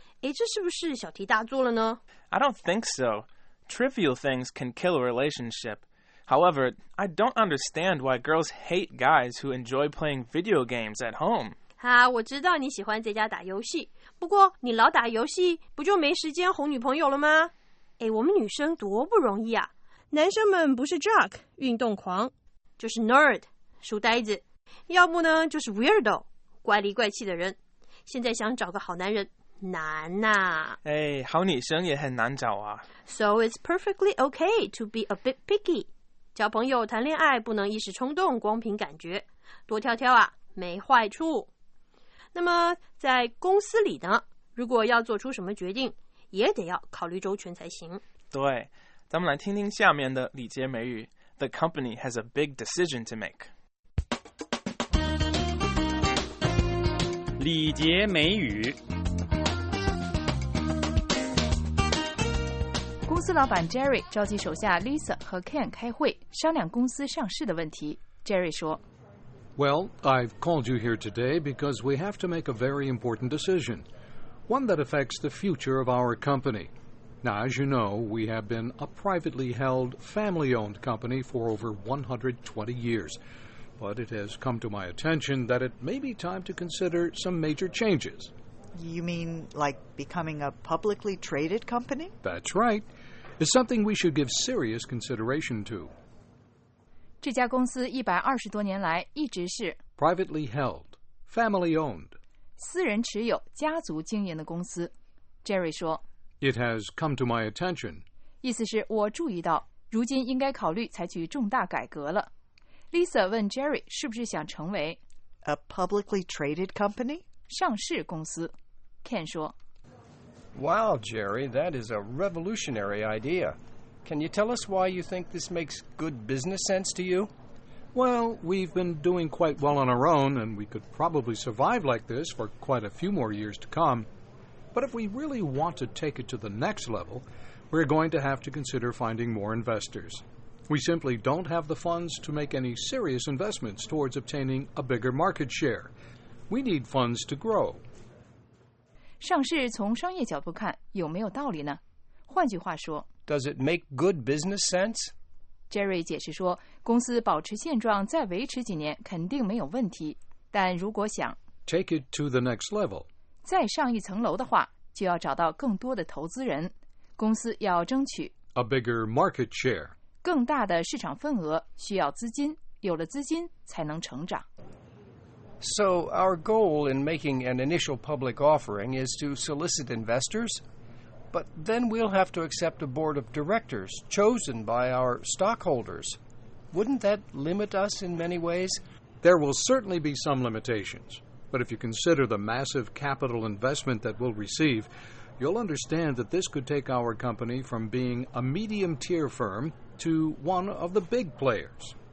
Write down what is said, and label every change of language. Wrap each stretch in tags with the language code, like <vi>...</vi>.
<zh>哎，这是不是小题大做了呢？</zh> <en>I don't think so. Trivial things can kill a relationship. However, I don't understand why girls hate guys who enjoy playing video games at home.</en> <zh>哈，我知道你喜欢在家打游戏，不过你老打游戏，不就没时间哄女朋友了吗？哎，我们女生多不容易啊！男生们不是 jock 运动狂，就是 nerd 书呆子，要不呢就是 weirdo 怪里怪气的人。现在想找个好男人难呐、啊！哎，好女生也很难找啊。</zh> <en>So it's perfectly okay to be a bit picky.</en> <zh>交朋友谈恋爱不能一时冲动，光凭感觉，多挑挑啊，没坏处。那么在公司里呢，如果要做出什么决定，也得要考虑周全才行。对，咱们来听听下面的礼节美语。</zh> <en>The company has a big decision to make.</en> <zh>礼节美语。公司老板 Jerry 召集手下 Lisa 和 Ken 开会，商量公司上市的问题。Jerry 说，</zh> <en>Well, I've called you here today because we have to make a very important decision. One that affects the future of our company. Now, as you know, we have been a privately held, family-owned company for over 120 years. But it has come to my attention that it may be time to consider some major changes. You mean like becoming a publicly traded company? That's right. It's something we should give serious consideration to.</en> <zh>这家公司120多年来一直是</zh> <en>privately held, family owned,</en> <zh>私人持有家族经营的公司。 Jerry 说，</zh> <en>It has come to my attention.</en> <zh>意思是我注意到如今应该考虑采取重大改革了。 Lisa 问 Jerry 是不是想成为</zh> <en>a publicly traded company?</en> <zh>上市公司。Ken 说，</zh> <en>Wow, Jerry, that is a revolutionary idea. Can you tell us why you think this makes good business sense to you? Well, we've been doing quite well on our own, and we could probably survive like this for quite a few more years to come. But if we really want to take it to the next level, we're going to have to consider finding more investors. We simply don't have the funds to make any serious investments towards obtaining a bigger market share. We need funds to grow.</en> <zh>上市从商业角度看有没有道理呢？换句话说，</zh> <en>Does it make good business sense?</en> <zh>Jerry 解释说，公司保持现状再维持几年肯定没有问题，但如果想</zh> <en>take it to the next level,</en> <zh>再上一层楼的话，就要找到更多的投资人，公司要争取</zh> <en>a bigger market share，</en> <zh>更大的市场份额，需要资金，有了资金才能成长。</zh> <en>So our goal in making an initial public offering is to solicit investors, but then we'll have to accept a board of directors chosen by our stockholders. Wouldn't that limit us in many ways? There will certainly be some limitations, but if you consider the massive capital investment that we'll receive, you'll understand that this could take our company from being a medium-tier firm to one of the big players.</en>